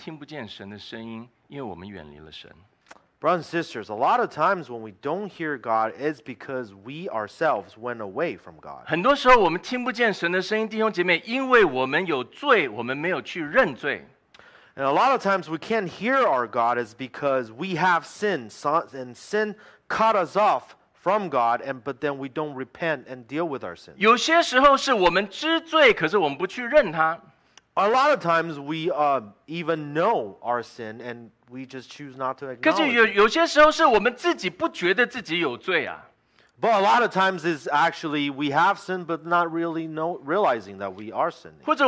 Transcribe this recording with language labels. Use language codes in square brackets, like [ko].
[zh] 弟兄姐妹，很多时候我们听不见神的声音，因为我们远离了神。 [en] Brothers and sisters, a lot of times when we don't hear God, it's because we ourselves went away from God. [zh] 很多时候我们听不见神的声音，弟兄姐妹，因为我们有罪，我们没有去认罪。 [en] And a lot of times we can't hear our God is because we have sinned, and sin cut us off from God, but then we don't repent and deal with our sins. [zh] 有些时候是我们知罪，可是我们不去认它。 [en] A lot of times we even know our sin, and we just choose not to acknowledge it. [zh] 可是有些时候是我们自己不觉得自己有罪啊。 [en] But a lot of times it's actually we have sinned, but not really realizing that we are sinning.